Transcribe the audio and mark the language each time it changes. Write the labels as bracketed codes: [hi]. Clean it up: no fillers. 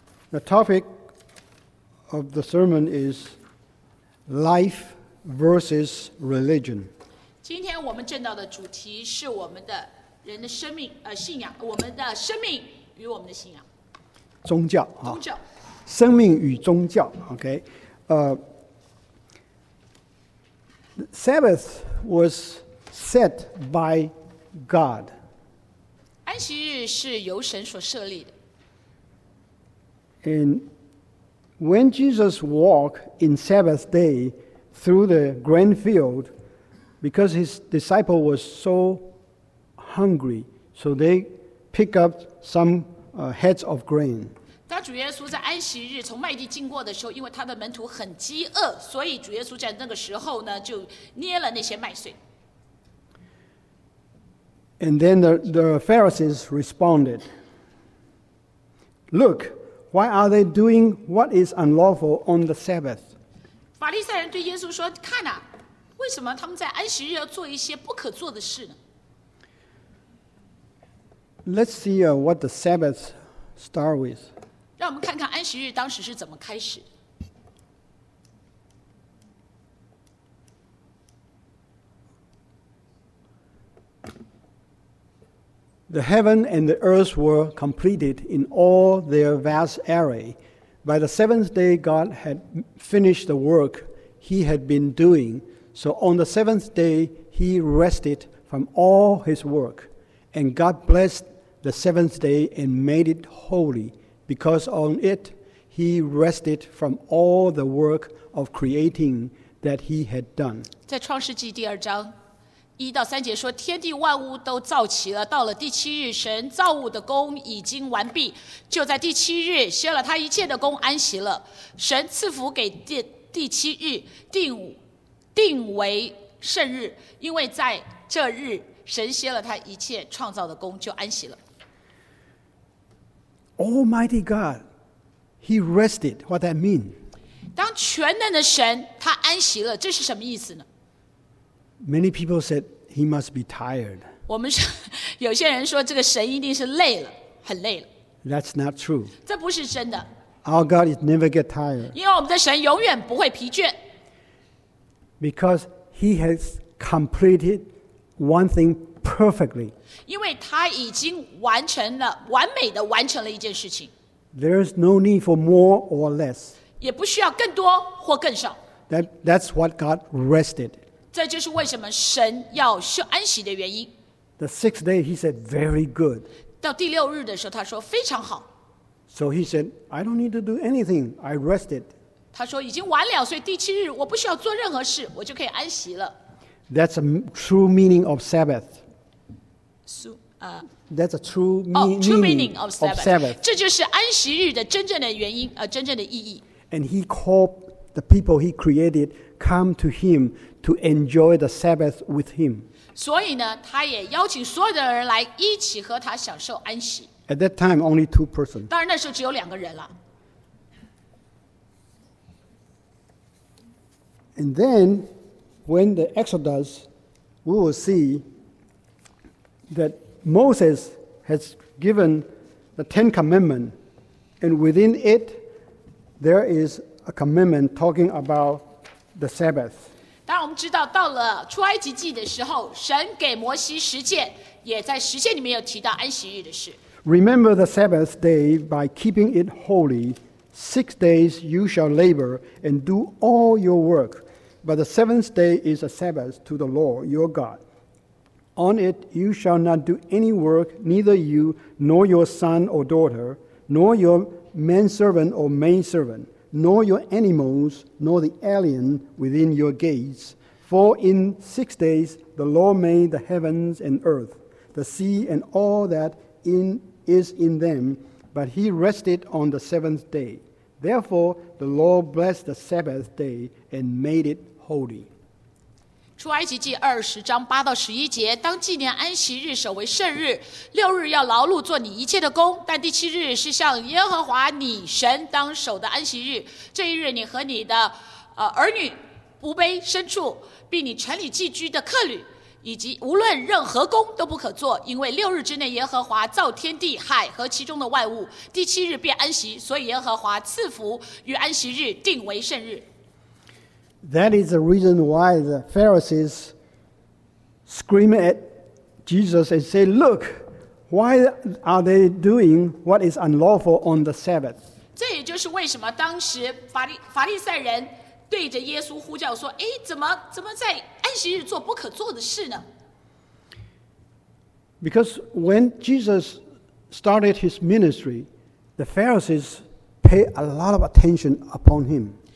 [en] The topic of the sermon is life versus religion. [zh] 今天我们正道的主题是我们的人的生命，信仰，我们的生命与我们的信仰。宗教，宗教，生命与宗教。 [en] OK, Sabbath was set by God. [zh] 安息日是由神所设立的。 [en] And when Jesus walked in Sabbath day through the grain field, because his disciple was so hungry, so they picked up some heads of grain. [zh] 当主耶稣在安息日从麦地经过的时候，因为他的门徒很饥饿，所以主耶稣在那个时候呢，就捏了那些麦穗。 [en] And then the Pharisees responded, Look,Why are they doing what is unlawful on the Sabbath? [zh] 法利赛人对耶稣说：“看啊，为什么他们在安息日要做一些不可做的事呢？” [en] Let's see what the Sabbath start with. [zh] 让我们看看安息日当时是怎么开始。 [en] The heaven and the earth were completed in all their vast array. By the seventh day, God had finished the work he had been doing. So on the seventh day, he rested from all his work. And God blessed the seventh day and made it holy, because on it, he rested from all the work of creating that he had done. [zh] 在创世纪第二章。一到三节说，天地万物都造齐了，到了第七日，神造物的工已经完毕，就在第七日歇了他一切的工，安息了。神赐福给 第七日，定为圣日，因为在这日神歇了他一切创造的工，就安息了。 [en] Almighty God, He rested. What that mean? [zh] 当全能的神他安息了，这是什么意思呢？ [en] Many people said he must be tired. [zh] 我们说，有些人说这个神一定是累了，很累了。 [en] That's not true. [zh] 这不是真的。 [en] Our God is never get tired. [zh] 因为我们的神永远不会疲倦。 [en] Because he has completed one thing perfectly. [zh] 因为他已经完成了，完美的完成了一件事情。 [en] There is no need for more or less. [zh] 也不需要更多或更少。 [en] That's what God rested. [zh] 这就是为什么神要休安息的原因。 [en] The sixth day, he said, very good. [zh] 到第六日的时候，他说非常好。 [en] So he said, I don't need to do anything. I rested. [zh] 他说已经完了，所以第七日我不需要做任何事，我就可以安息了。 [en] That's a true meaning of Sabbath. That's a true meaning of Sabbath. [zh] 这就是安息日的真正的原因，真正的意义。 [en] And he called the people he created come to him to enjoy the Sabbath with him. [zh] 所以呢，他也邀请所有的人来一起和他享受安息。 [en] At that time, only two persons. [zh] 当然那时候只有两个人了。 [en] And then, when the Exodus, we will see that Moses has given the Ten Commandments, and within it, there is a commandment talking about the Sabbath. [zh] 当然我们知道，到了出埃及记的时候，神给摩西十诫，也在十诫里面有提到安息日的事。 [en] Remember the Sabbath day by keeping it holy. 6 days you shall labor and do all your work, but the seventh day is a Sabbath to the Lord your God. On it you shall not do any work, neither you nor your son or daughter, nor your manservant or maidservant, nor your animals, nor the alien within your gates. For in 6 days the Lord made the heavens and earth, the sea and all that is in them, but he rested on the seventh day. Therefore, the Lord blessed the Sabbath day and made it holy. [zh] 出埃及记二十章八到十一节，当纪念安息日，守为圣日。六日要劳碌做你一切的工，但第七日是向耶和华你神当守的安息日。这一日，你和你的儿女、仆婢、牲畜，并你城里寄居的客旅。以及无论任何工都不可做，因为六日之内耶和华造天地海和其中的万物，第七日便安息，所以耶和华赐福于安息日，定为圣日。 [en] That is the reason why the Pharisees scream at Jesus and say, Look, why are they doing what is unlawful on the Sabbath? [zh] 这也就是为什么当时法利赛人对着耶稣呼叫说，诶，怎么在安息日做不可做的事呢？ [en] Because when Jesus started his ministry, the Pharisees paid a lot of attention upon him.